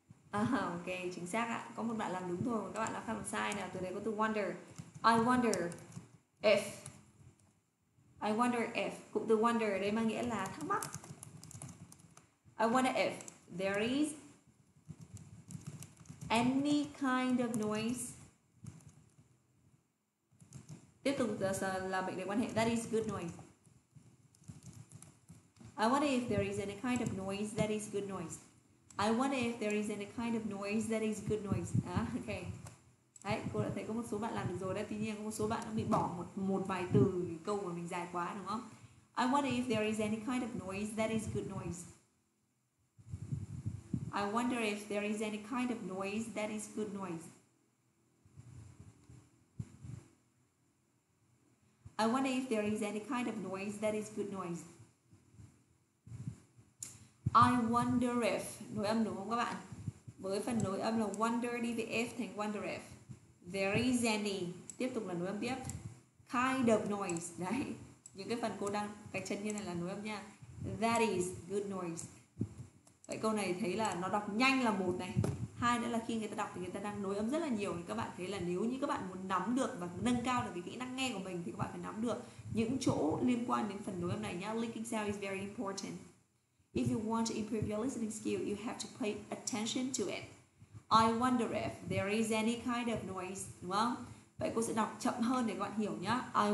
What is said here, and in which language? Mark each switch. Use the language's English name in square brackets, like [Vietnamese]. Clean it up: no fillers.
[Vietnamese] À, ok, chính xác ạ. Có một bạn làm đúng thôi, các bạn làm khác làm sai. Nào, từ này có từ wonder. [English] I wonder if I wonder if, [Vietnamese] cụm từ wonder ở đây mang nghĩa là thắc mắc. [English] I wonder if there is any kind of noise. [Vietnamese] Tiếp tục là mệnh đề quan hệ, [English] that is good noise. I wonder if there is any kind of noise that is good noise. I wonder if there is any kind of noise that is good noise. Okay. [Vietnamese] Đấy, cô đã thấy có một số bạn làm được rồi đấy. Tuy nhiên có một số bạn nó bị bỏ một vài từ câu của mình dài quá đúng không? [English] I wonder if there is any kind of noise that is good noise. I wonder if there is any kind of noise that is good noise. I wonder if there is any kind of noise that is good noise. I wonder if, [Vietnamese] nối âm đúng không các bạn? Với phần nối âm là wonder đi với if thành wonder if. [English] There is any, [Vietnamese] tiếp tục là nối âm tiếp. [English] Kind of noise, [Vietnamese] đấy. Những cái phần cô đang, cái chân như này là nối âm nha. [English] That is good noise. [Vietnamese] Vậy câu này thấy là nó đọc nhanh là một này. Hai nữa là khi người ta đọc thì người ta đang nối âm rất là nhiều. Các bạn thấy là nếu như các bạn muốn nắm được và nâng cao được cái kỹ năng nghe của mình thì các bạn phải nắm được những chỗ liên quan đến phần nối âm này nhá. [English] Linking sound is very important. If you want to improve your listening skill, you have to pay attention to it. I wonder if there is any kind of noise, [Vietnamese] đúng không? Vậy cô sẽ đọc chậm hơn để các bạn hiểu nhá.